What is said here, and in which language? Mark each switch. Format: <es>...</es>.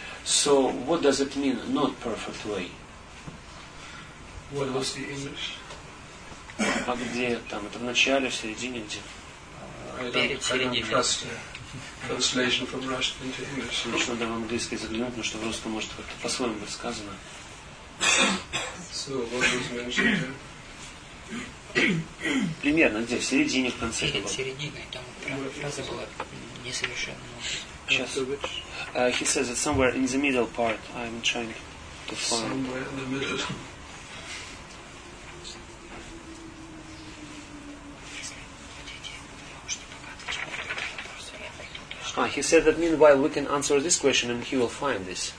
<en>So, what does it mean, not perfect way? What was the English?</en> <ru>А где там? Это в начале, в середине, где?</ru> <en>I don't trust translation from Russian into English.</en> <ru>Лучше надо в английский заглянуть, потому что в русском может как-то по-своему быть сказано.</ru> <en>So, what was mentioned here?</en> <ru>Примерно где? В середине, в конце. Перед серединой, там фраза была несовершенна. Сейчас.</ru> <en>He says it's somewhere in the middle part. I'm trying to find. Somewhere in the middle. he said that meanwhile we can answer this question and he will find this.</en>